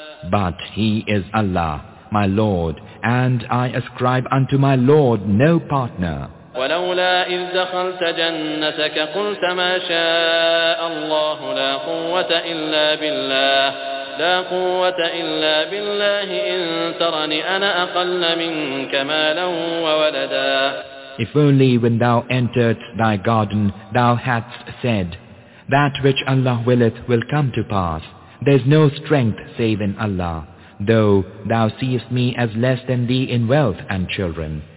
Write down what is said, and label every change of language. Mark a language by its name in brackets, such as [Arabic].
[English] But he is Allah, my Lord, and I ascribe unto my Lord no partner. [Arabic] ولولا إذ دخلت جنتك قلت ما شاء الله لا قوة إلا بالله لا قوة إلا بالله إن ترني أنا أقل منك مالا وولدا. [English] If only when thou entered thy garden thou hadst said, That which Allah willeth will come to pass. There is no strength save in Allah, though thou seest me as less than thee in wealth and children.